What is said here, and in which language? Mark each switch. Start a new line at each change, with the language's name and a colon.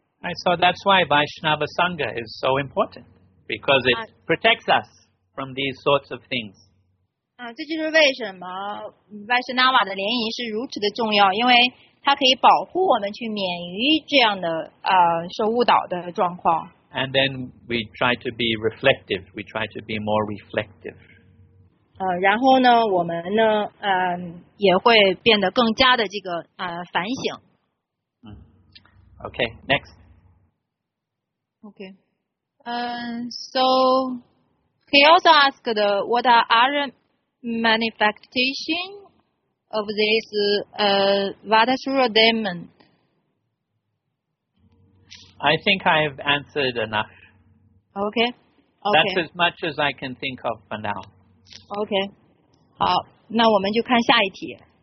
English: Right, so that's why Vaishnava Sangha is so important, because it protects us from these sorts of things.
Chinese: 这就是为什么 Vaishnava 的联谊是如此的重要，因为它可以保护我们去免于这样的受误导的状况。
English: And then we try to be reflective. We try to be more reflective.
Chinese: 然后呢，我们呢，也会变得更加的这个反省。
English: Okay, next. Okay. So he also asked, what are other manifestations of this Vatasura demon? I think I've answered enough. Okay. That's as much as I can think of for now.
Chinese: OK, 好，那我们就看下一题。